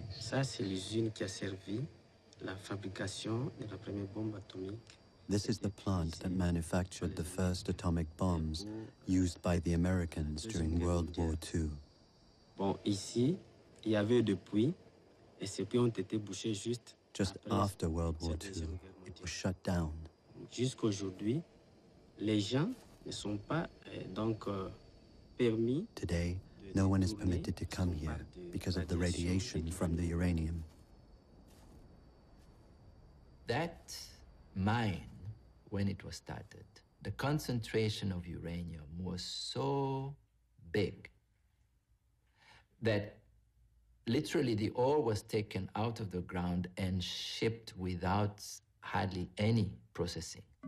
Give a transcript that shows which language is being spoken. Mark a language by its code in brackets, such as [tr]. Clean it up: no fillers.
[fr] Ça c'est l'usine qui a servi la fabrication de la première bombe atomique. [en] This is the plant that manufactured the first atomic bombs used by the Americans during World War II. [fr] Bon, ici, il y avait des puits et ces puits ont été bouchés juste [en] just after World War II. It was shut down. [fr] Jusqu'aujourd'hui, les gens ne sont pas donc permis. [en] Today, no one is permitted to come here because of the radiation from the uranium. That mine, when it was started, the concentration of uranium was so big that literally the ore was taken out of the ground and shipped without hardly any processing.